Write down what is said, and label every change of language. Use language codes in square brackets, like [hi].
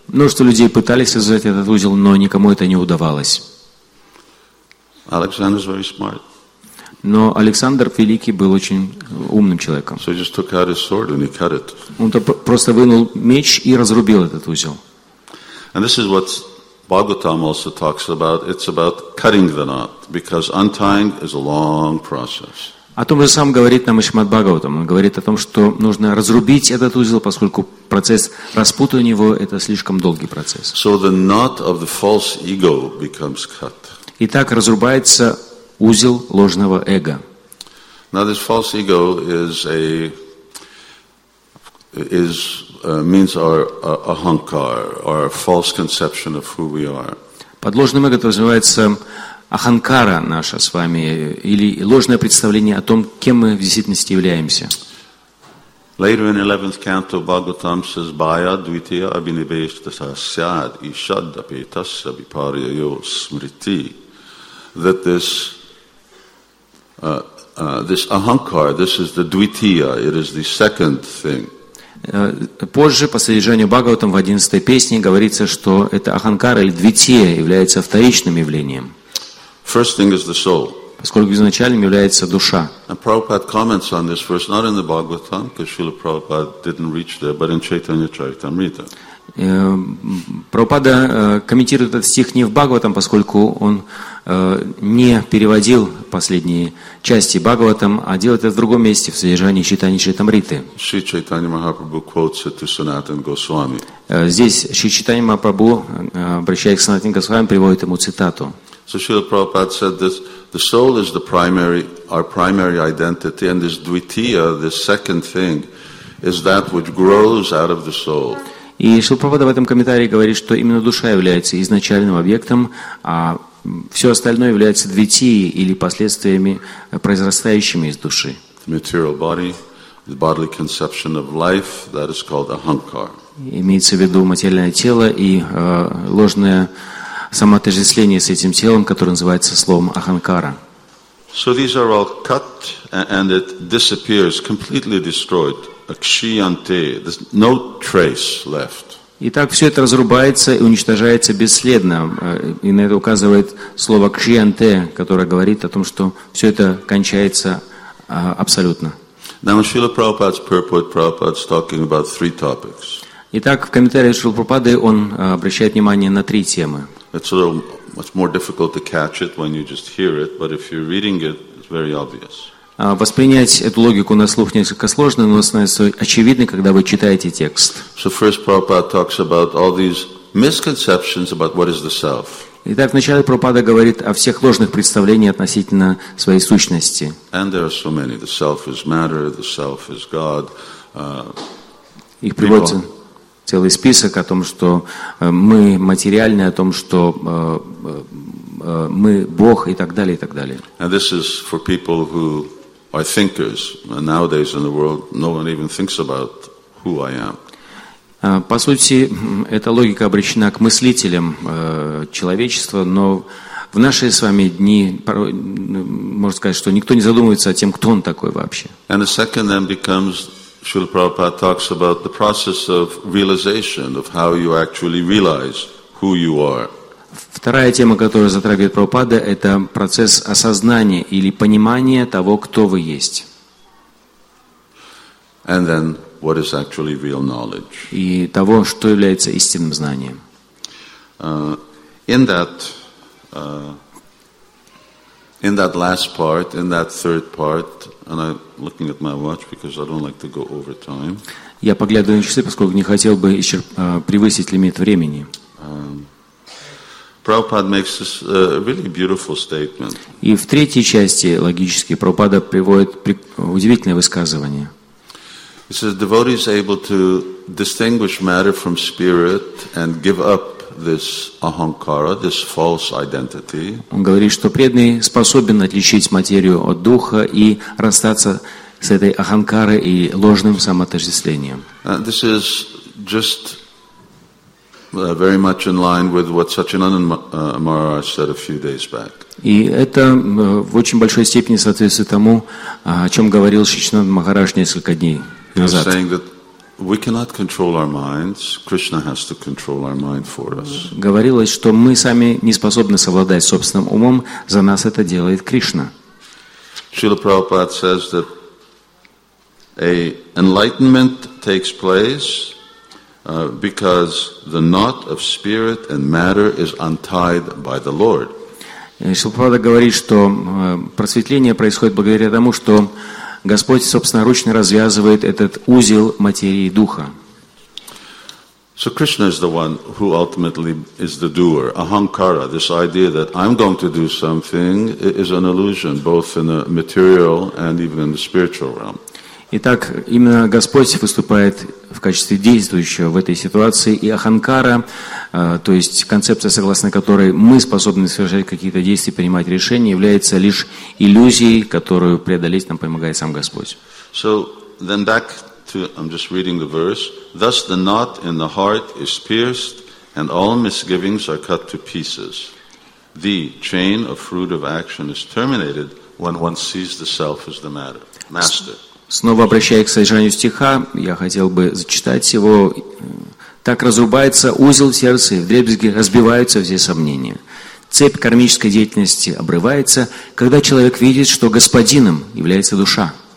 [ru] Множество людей пытались развязать этот узел, но никому это не удавалось. [en] Alexander's very smart. [ru] Но Александр Великий был очень умным человеком. [en] So he just took out his sword and he cut it. [ru] Он просто вынул меч и разрубил этот узел. [en] And this is what Bhagavatam also talks about. It's about cutting the knot, because untying is a long process. [ru] О том же сам говорит нам и Шримад Бхагаватам. Он говорит о том, что нужно разрубить этот узел, поскольку процесс распутывания его это слишком долгий процесс. [en] So the knot of the false ego becomes cut. [ru] И так разрубается узел ложного эго. [en] Now this false ego means our ahankar, our false conception of who we are. [ru] Под ложным эго это называется аханкара наша с вами или ложное представление о том, кем мы в действительности являемся. [en] Later in 11th canto, Bhagavatam says, [sa] "Baya dvitiya abhinibeshita syad ishadapi tasya viparyayo smriti," [en] that this ahankar, this is the dvitiya, it is the second thing. [ru] Позже, по содержанию Бхагаватам, в 11-й песне говорится, что это аханкар или двития является вторичным явлением. [en] First thing is the soul. [ru] Поскольку изначальным является душа. [en] And Prabhupada comments on this verse, not in the Bhagavatam, because Srila Prabhupada didn't reach there, but in Chaitanya Charitamrita. [ru] Прабхупада комментирует этот стих не в Бхагаватам, поскольку он не переводил последние части Бхагаватам, а делает это в другом месте, в содержании Чайтани Чайтамриты. [en] Шри Чайтани Махапрабху quotes it to Санатан Госвами. [ru] Здесь Шри Чайтани Махапрабху, обращаясь к Санатан Госвами, приводит ему цитату. [en] So Srila Prabhupada said this, the soul is the primary, our primary identity, and this dvitiya, this second thing, is that which grows out of the soul. [ru] И Шрила Прабхупада в этом комментарии говорит, что именно душа является изначальным объектом, а все остальное является двитией или последствиями, произрастающими из души. [en] The material body, the bodily conception of life, that is called ahankar. [ru] Имеется в виду материальное тело и ложное самоотождествление с этим телом, которое называется словом аханкара. [en] So these are all cut and it disappears, completely destroyed. Akshiyante, there's no trace left. [ru] Итак, все это разрубается и уничтожается бесследно. И на это указывает слово кшиянте, которое говорит о том, что все это кончается абсолютно. [en] Now in Srila Prabhupada's purport, Prabhupada's talking about three topics. [ru] Итак, в комментариях Шрилы Прабхупады он обращает внимание на три темы. [en] It's a little much more difficult to catch it when you just hear it, but if you're reading it, it's very obvious. [ru] Воспринять эту логику на слух несколько сложно, но становится очевидно, когда вы читаете текст. [en] So first Prabhupada talks about all these misconceptions about what is the self. [ru] Итак, вначале Прабхупада говорит о всех ложных представлениях относительно своей сущности. [en] And there are so many. The self is matter, the self is God. [ru] Их приводится целый список о том, что мы материальны, о том, что мы Бог и так далее, и так далее. [en] And this is for people who are thinkers. And nowadays in the world, no one even thinks about who I am. [ru] По сути, эта логика обращена к мыслителям человечества, но в наши с вами дни, можно сказать, что никто не задумывается о том, кто он такой вообще. [en] And the second then becomes, Srila Prabhupada talks about the process of realization, of how you actually realize who you are. [ru] Вторая тема, которую затрагивает Прабхупада, это процесс осознания или понимания того, кто вы есть. [en] And then, what is actually real knowledge? [ru] И того, что является истинным знанием. [en] In that last part, in that third part, and I'm looking at my watch because I don't like to go over time. [ru] Я поглядываю на часы, поскольку не хотел бы превысить лимит времени. [en] Prabhupada makes this really beautiful statement. [ru] И в третьей части логически Прабхупада приводит удивительное высказывание. [en] He says, devotee is able to distinguish matter from spirit and give up this ahankara, this false identity. [ru] Он говорит, что преданный способен отличить материю от духа и расстаться с этой аханкарой и ложным самоотождествлением. [en] This is just very much in line with what Satchinandan Maharaj said a few days back. [ru] И это в очень большой степени соответствует тому, о чем говорил Сачинанд Махарадж несколько дней назад. [en] Saying that we cannot control our minds, Krishna has to control our mind for us. [ru] Говорилось, что мы сами не способны совладать собственным умом, за нас это делает Кришна. [en] Srila Prabhupada says that a enlightenment takes place because the knot of spirit and matter is untied by the Lord. [ru] Srila Prabhupada говорит, что просветление происходит благодаря тому, что Господь собственноручно развязывает этот узел материи и духа. [en] So Krishna is the one who ultimately is the doer. Ahankara, this idea that I'm going to do something, is an illusion, both in the material and even in the spiritual realm. [ru] Итак, именно Господь выступает в качестве действующего в этой ситуации, и аханкара, то есть концепция, согласно которой мы способны совершать какие-то действия, принимать решения, является лишь иллюзией, которую преодолеть нам помогает сам Господь. [en] So, then back to, I'm just reading the verse. Thus the knot in the heart is pierced, and all misgivings are cut to pieces. The chain of fruit of action is terminated when one sees the self as the matter, master. [ru] Снова обращаясь к содержанию стиха, я хотел бы зачитать его. Так разрубается узел в сердце, и вдребезги разбиваются все сомнения. Цепь кармической деятельности обрывается, когда человек видит, что господином является душа.